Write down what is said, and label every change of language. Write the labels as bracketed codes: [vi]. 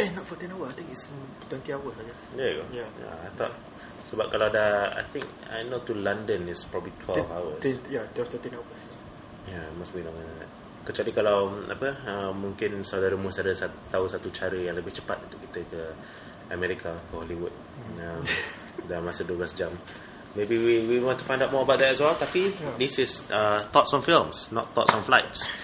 [en] Not 14 hours. I think it's 20 hours, I guess. There you go. Yeah. Yeah, I thought. Yeah. [ms] Sebab kalau ada, [en] I think, I know to London is probably 12 hours. Yeah, 13 hours. Yeah, must be longer than that. [ms] Kecuali kalau, apa, mungkin saudara mesti ada tahu satu cara yang lebih cepat untuk kita ke Amerika, ke Hollywood. dalam masa 12 jam. [en] Maybe we want to find out more about that as well. Tapi yeah. This is thoughts on films, not thoughts on flights.